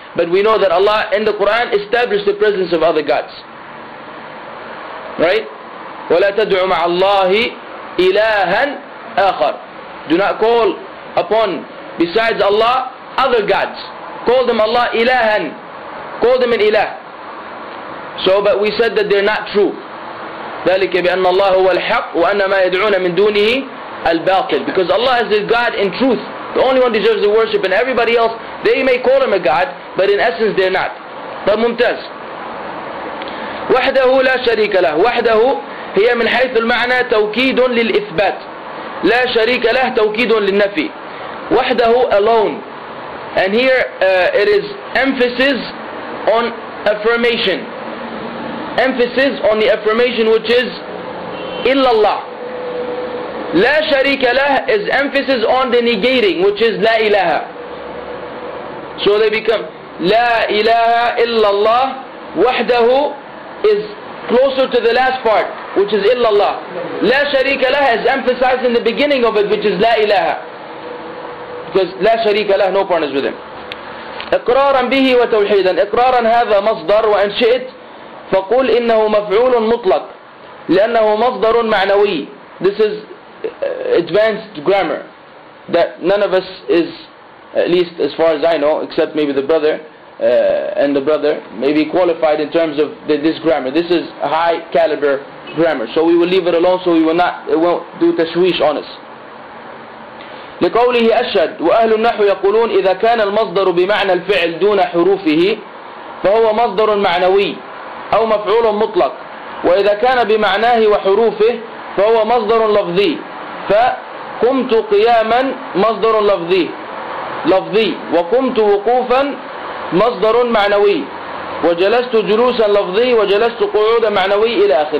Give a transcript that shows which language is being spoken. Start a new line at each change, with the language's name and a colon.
English: But we know that Allah in the Quran established the presence of other gods. Right?
Arabic: وَلَا تَدْعُ مَعَ اللَّهِ إِلَٰهًا آخَرٍ.
English: Do not call upon besides Allah other gods. Call them Allah إِلَٰهًا. Call them an إِلَه. So, but we said that they're not true.
Arabic: ذلك بأن الله هو الحق وأن ما يدعون من دونه الباطل.
English: Because Allah is the God in truth, the only one deserves the worship, and everybody else, they may call him a God, but in essence they're not.
Arabic: طب ممتاز. وحده لا شريك له. وحده هي من حيث المعنى توكيد للإثبات. لا شريك له توكيد للنفي. وحده alone.
English: And here it is emphasis on affirmation. Emphasis on the affirmation which is
Arabic: إِلَّا اللَّهِ. لَا شَرِيكَ لَهِ
English: is emphasis on the negating which is
Arabic: لَا إِلَهَ.
English: So they become
Arabic: لَا إِلَهَ إِلَّا اللَّهِ.
English: وَحْدَهُ is closer to the last part which is
Arabic: إِلَّا اللَّهِ. لَا شَرِيكَ لَهِ
English: is emphasized in the beginning of it which is
Arabic: لَا إِلَهَ.
English: Because
Arabic: لَا شَرِيكَ لَهِ,
English: no partners with him.
Arabic: إِقْرَارًا بِهِ وَتَوْحِيدًا. إِقْرَارًا هذا مصدر, وَإِنْ شِئِتْ فقول إنه مفعول مطلق لأنه مصدر معنوي.
English: This is advanced grammar that none of us is, at least as far as I know, except maybe the brother and the brother, maybe qualified in terms of this grammar. This is a high caliber grammar, so we will leave it alone, so we will not, it won't do tashwish on us.
Arabic: لقوله أشهد وأهل النحو يقولون إذا كان المصدر بمعنى الفعل دون حروفه فهو مصدر معنوي أو مفعول مطلق, وإذا كان بمعناه وحروفه فهو مصدر لفظي. فقمت قياما مصدر لفظي لفظي, وقمت وقوفا مصدر معنوي, وجلست جلوسا لفظي, وجلست قعودا معنوي, إلى آخر.